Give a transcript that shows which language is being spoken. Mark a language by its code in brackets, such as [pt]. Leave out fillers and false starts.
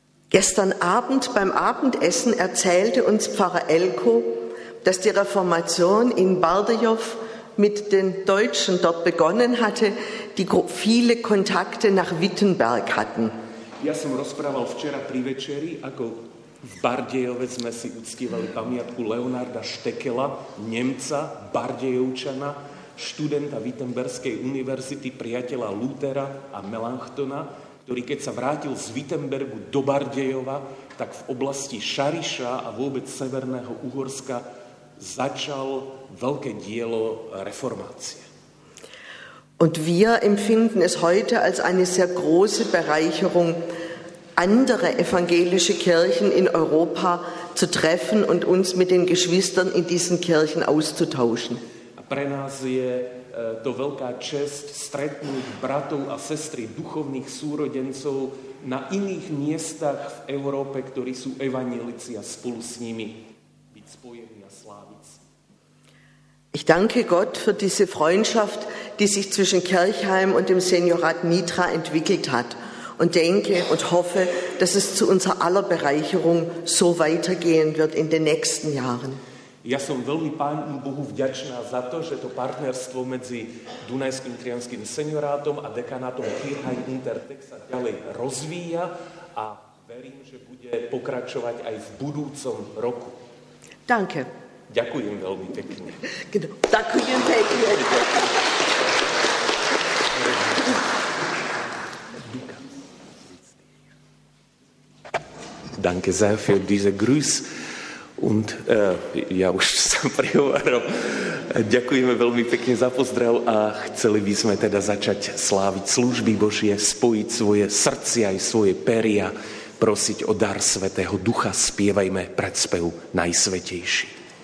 [de] Gestern Abend beim Abendessen erzählte uns Pfarrer Elko, dass die Reformation in Bardejov mit den Deutschen dort begonnen hatte, die viele Kontakte nach Wittenberg hatten. [sk] Ja som rozprával včera pri večeri, ako v Bardejove sme si uctívali pamiatku Leonarda Štekela, Nemca, Bardejovčana, študenta Wittenbergskej univerzity, priateľa Lutera a Melanchtona, ktorý keď sa vrátil z Wittenbergu do Bardejova, tak v oblasti Šariša a vôbec Severného Uhorska začal veľké dielo reformácie. [de] Und wir empfinden es heute als eine sehr große Bereicherung, andere evangelische Kirchen in Europa zu treffen und uns mit den Geschwistern in diesen Kirchen auszutauschen. [sk] Pre nás je to veľká čest stretnúť bratov a sestry duchovných súrodencov na iných miestach v Európe, ktorí sú evanjelici, a spolu s nimi byť spojení a sláviť. [de] Ich danke Gott für diese Freundschaft, die sich zwischen Kirchheim und dem Seniorat Nitra entwickelt hat und denke und hoffe, dass es zu unser aller Bereicherung so weitergehen wird in den nächsten Jahren. [sk] Ja som veľmi Pánu Bohu vďačná za to, že to partnerstvo medzi Dunajským Trianským seniorátom a dekanátom Kirchaj Intertech sa ďalej rozvíja a verím, že bude pokračovať aj v budúcom roku. [de] Danke. [sk] Ďakujem veľmi pekne. Ďakujem pekne. [de] Danke sehr für diese Grüß. Und [sk] ja už som prihovoril. Ďakujeme veľmi pekne za pozdrav a chceli by sme teda začať sláviť služby Božie, spojiť svoje srdcia aj svoje peria, prosiť o dar Svätého Ducha, spievajme predspev Najsvetejší.